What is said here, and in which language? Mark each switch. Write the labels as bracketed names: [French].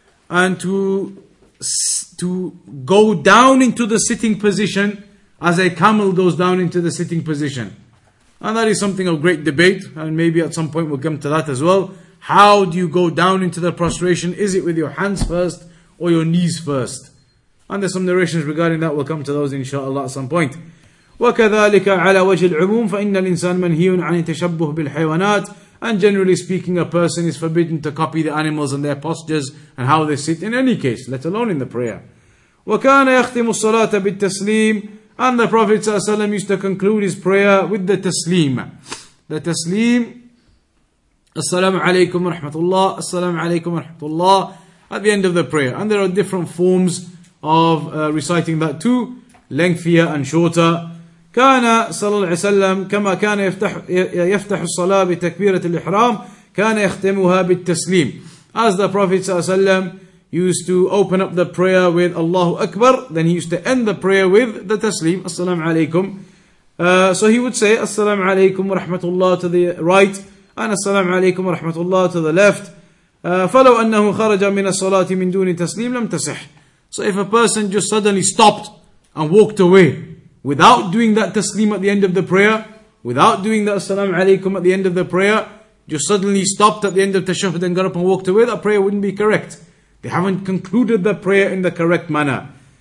[English] And to go down into the sitting position as a camel goes down into the sitting position. And that is something of great debate, and maybe at some point we'll come to that as well. How do you go down into the prostration? Is it with your hands first or your knees first? And there's some narrations regarding that. We'll come to those inshallah at some point. [Arabic] وكذلك على وجه العموم فإن الإنسان منهي عن التشبه بالحيوانات. [English] And generally speaking, a person is forbidden to copy the animals and their postures and how they sit in any case, let alone in the prayer. [Arabic] وكان يختم الصلاة بالتسليم. [English] And the Prophet ﷺ used to conclude his prayer with the تسليم. The تسليم. [Arabic] السلام عليكم ورحمة الله. السلام عليكم ورحمة الله. [English] At the end of the prayer. And there are different forms of reciting that too, lengthier and shorter. [Arabic] كان صلى الله عليه وسلم كما كان يفتح الصلاة بتكبيرة الإحرام كان يختمها بالتسليم. [English] As the Prophet صلى الله عليه وسلم used to open up the prayer with Allahu Akbar, then he used to end the prayer with the تسليم. [Arabic] السلام عليكم. [English] So he would say [Arabic] السلام عليكم ورحمة الله [English] to the right and [Arabic] السلام عليكم ورحمة الله [English] to the left. [Arabic] فلو أنه خرج من الصلاة من دون تسليم لم تصح. [English] So if a person just suddenly stopped and walked away without doing that taslim at the end of the prayer, without doing that assalamu alaykum at the end of the prayer, just suddenly stopped at the end of tashahhud and got up and walked away, that prayer wouldn't be correct. They haven't concluded the prayer in the correct manner.